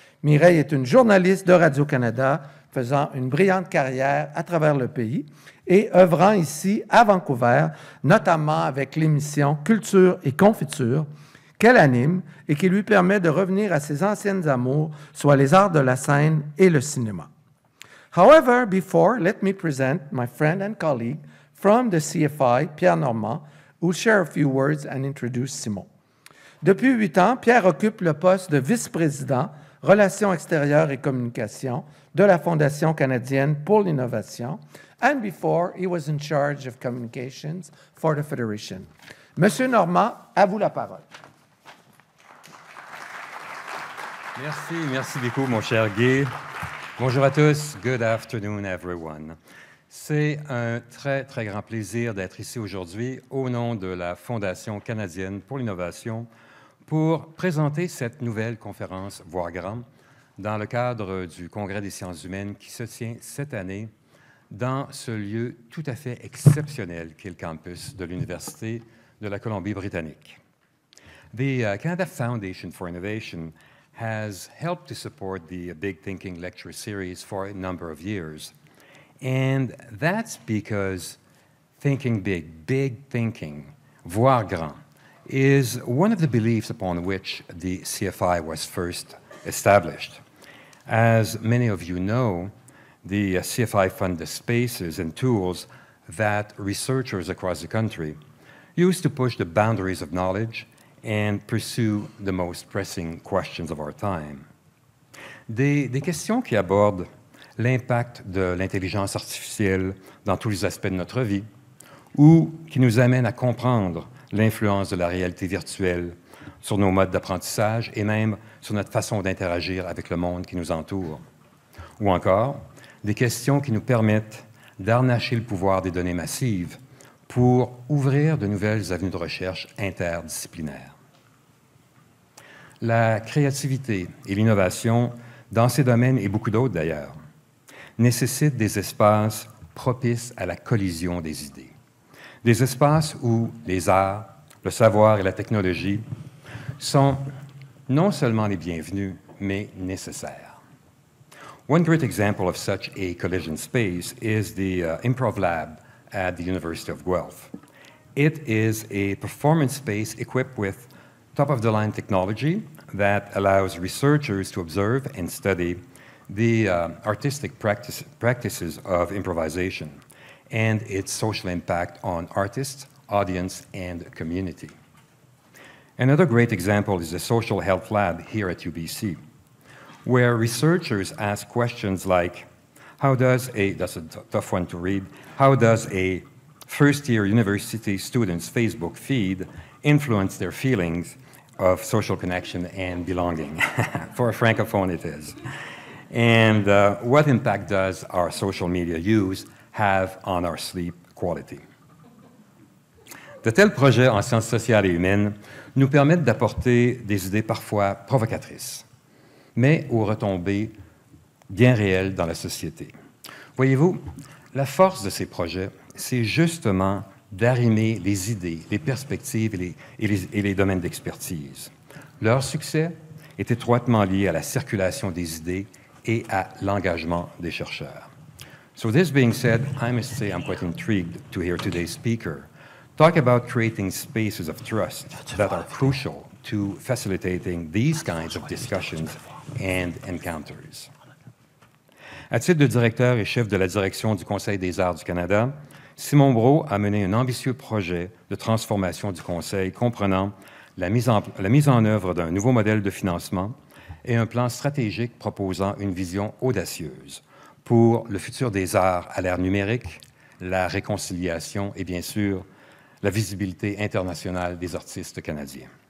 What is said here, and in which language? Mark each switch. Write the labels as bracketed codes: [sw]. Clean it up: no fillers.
[fr] Mirelle est une journaliste de Radio-Canada faisant une brillante carrière à travers le pays et œuvrant ici à Vancouver, notamment avec l'émission Culture et confiture qu'elle anime et qui lui permet de revenir à ses anciennes amours, soit les arts de la scène et le cinéma. [en] However, before, let me present my friend and colleague from the CFI, Pierre Normand, who will share a few words and introduce Simon. [fr] Depuis 8 ans, Pierre occupe le poste de vice-président Relations extérieures et communication de la Fondation canadienne pour l'innovation. [en] And before, he was in charge of communications for the Federation. [fr] Monsieur Normand, à vous la parole. Merci, merci beaucoup, mon cher Guy. Bonjour à tous. [en] Good afternoon, everyone. [fr] C'est un très, très grand plaisir d'être ici aujourd'hui au nom de la Fondation canadienne pour l'innovation pour présenter cette nouvelle conférence Voir Grand dans le cadre du Congrès des sciences humaines qui se tient cette année dans ce lieu tout à fait exceptionnel qu'est le campus de l'Université de la Colombie-Britannique. [en] The Canada Foundation for Innovation has helped to support the Big Thinking Lecture Series for a number of years. And that's because thinking big, big thinking, Voir Grand, is one of the beliefs upon which the CFI was first established. As many of you know, the CFI fund the spaces and tools that researchers across the country use to push the boundaries of knowledge and pursue the most pressing questions of our time. [fr] Des questions qui abordent l'impact de l'intelligence artificielle dans tous les aspects de notre vie, ou qui nous amène à comprendre l'influence de la réalité virtuelle sur nos modes d'apprentissage et même sur notre façon d'interagir avec le monde qui nous entoure. Ou encore, des questions qui nous permettent d'harnacher le pouvoir des données massives pour ouvrir de nouvelles avenues de recherche interdisciplinaires. La créativité et l'innovation, dans ces domaines et beaucoup d'autres d'ailleurs, nécessitent des espaces propices à la collision des idées. Des espaces où les arts, le savoir et la technologie sont non seulement les bienvenus, mais nécessaires. [en] One great example of such a collision space is the Improv Lab at the University of Guelph. It is a performance space equipped with top-of-the-line technology that allows researchers to observe and study the artistic practices of improvisation and its social impact on artists, audience, and community. Another great example is the Social Health Lab here at UBC, where researchers ask questions like, how does a first-year university student's Facebook feed influence their feelings of social connection and belonging? For a Francophone, it is. And what impact does our social media use have on our sleep quality? [fr] De tels projets en sciences sociales et humaines nous permettent d'apporter des idées parfois provocatrices, mais aux retombées bien réelles dans la société. Voyez-vous, la force de ces projets, c'est justement d'arrimer les idées, les perspectives et les domaines d'expertise. Leur succès est étroitement lié à la circulation des idées et à l'engagement des chercheurs. [en] So this being said, I must say I'm quite intrigued to hear today's speaker talk about creating spaces of trust that are crucial to facilitating these kinds of discussions and encounters. [fr] À titre de directeur et chef de la direction du Conseil des arts du Canada, Simon Brault a mené un ambitieux projet de transformation du Conseil comprenant la mise en œuvre d'un nouveau modèle de financement et un plan stratégique proposant une vision audacieuse pour le futur des arts à l'ère numérique, la réconciliation et bien sûr, la visibilité internationale des artistes canadiens.